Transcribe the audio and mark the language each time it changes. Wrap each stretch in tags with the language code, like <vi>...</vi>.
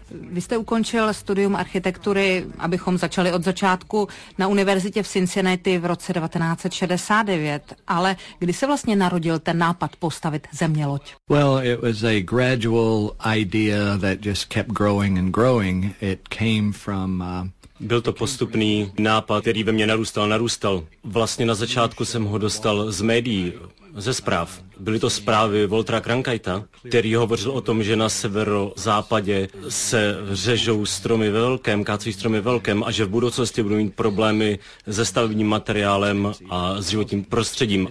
<cs>Vy jste ukončil studium architektury, abychom začali od začátku, na univerzitě v Cincinnati v roce 1969, ale kdy se vlastně narodil ten nápad postavit zeměloď?</cs> <en>Well, it was a gradual idea that just kept growing and growing. It came from...</en> <cs>Byl to postupný nápad, který ve mně narůstal. Vlastně na začátku jsem ho dostal z médií, ze zpráv. Byly to zprávy Waltera Cronkite, který hovořil o tom, že na severozápadě se řežou stromy ve velkém, kácí stromy ve velkém a že v budoucnosti budou mít problémy se stavebním materiálem a s životním prostředím.</cs>